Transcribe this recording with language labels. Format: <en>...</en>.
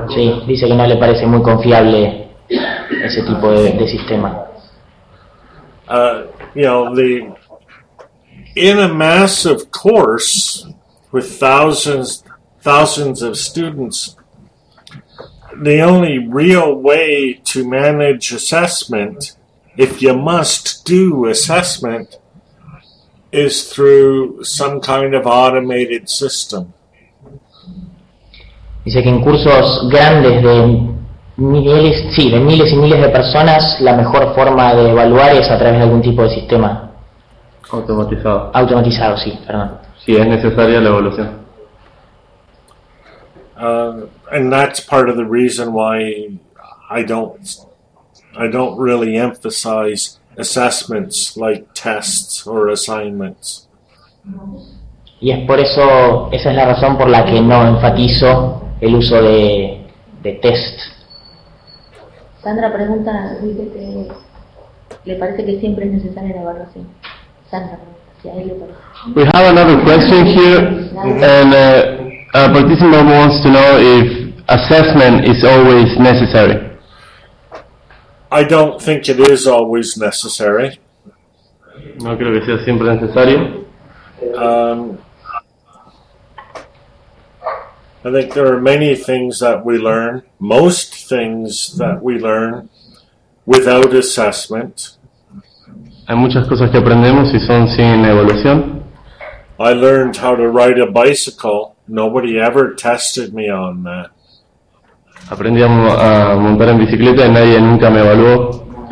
<es>Sí, dice que no le parece muy confiable ese tipo de sistema.</es> <en>In a massive course with thousands of students, the only real way to manage assessment, if you must do assessment, is through some kind of automated system.</en> <es>Dice que en cursos grandes de miles, sí, de miles y miles de personas, la mejor forma de evaluar es a través de algún tipo de sistema. Automatizado. Automatizado, sí, perdón. Sí, es necesaria la evaluación.</es> <en>And that's part of the reason why I don't really emphasize assessments like tests or assignments.</en> <es>Y es por eso, esa es la razón por la que no enfatizo el uso de test. Sandra pregunta, dice que le parece que siempre es necesaria la evaluación. Sandra pregunta, si a él le parece.</es> <en>We have another question here, and a participant wants to know if assessment is always necessary. I don't think it is always necessary.</en> <es>No creo que sea siempre necesario.</es> <en>I think there are many things that we learn, most things that we learn, without assessment.</en> <es>Hay muchas cosas que aprendemos y son sin evaluación.</es> <en>I learned how to ride a bicycle. Nobody ever tested me on that.</en> <es>Aprendí a montar en bicicleta y nadie nunca me evaluó.</es>